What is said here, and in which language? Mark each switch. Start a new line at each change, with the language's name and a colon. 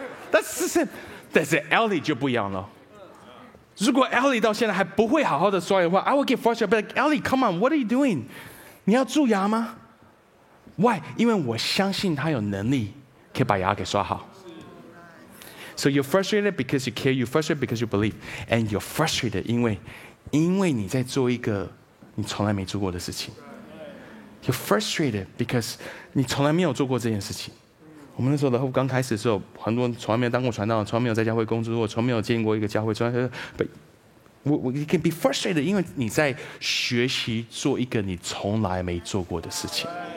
English: That's Ellie
Chinese: 就不一样了。如果 Ellie 到现在还不会好好的刷牙的话 ，
English: I would get frustrated. But like, Ellie， come on， what are you doing？
Chinese: 你要蛀牙吗 ？
English: Why？
Chinese: 因为我相信他有能力可以把牙给刷好。
English: So you're frustrated because you care, you're frustrated because you believe, and you're frustrated
Chinese: 因为你在做一个你从来没做过的事情。
English: You're frustrated because
Chinese: 你从来没有做过这件事情。我们那时候的后刚开始的时候，很多人从来没有当过传道，从来没有在教会工作过，从来没有见过一个教会，从来没有。
English: But you can be frustrated
Chinese: 因为你在学习做一个你从来没做过的事情。